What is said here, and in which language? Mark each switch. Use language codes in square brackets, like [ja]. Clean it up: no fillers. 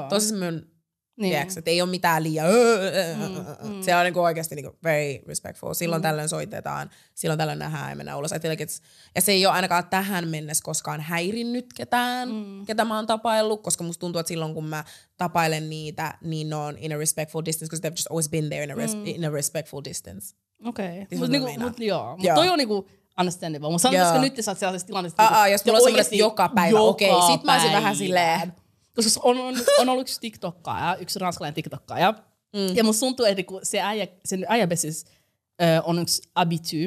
[fi] Tosiaan mun, niin, tiiäksä, että ei ole mitään liian. Se on niinku oikeasti niinku [en] very respectful. [fi] Silloin tällöin soitetaan, silloin tällöin nähdään ja mennään ulos. Ja se ei ole ainakaan tähän mennessä koskaan häirinnyt ketään, ketä mä oon tapaillut. Koska musta tuntuu, että silloin kun mä tapailen niitä, niin on [en] in a respectful distance. Because they've just always been there in a, in a respectful distance. [fi] Okei. Mutta niinku, toi on niinku understandable. Mutta sanotaan, koska nyt sä oot sellaisessa tilanteessa. Jos mulla on sellaista joka päivä. Okei, sit mä olisin vähän silleen. Koska on ollut yksi TikTokkaaja, yksi ranskalainen TikTokkaaja. Ja musta tuntuu, että se äijä, sen äijäbesis on yksi abitu.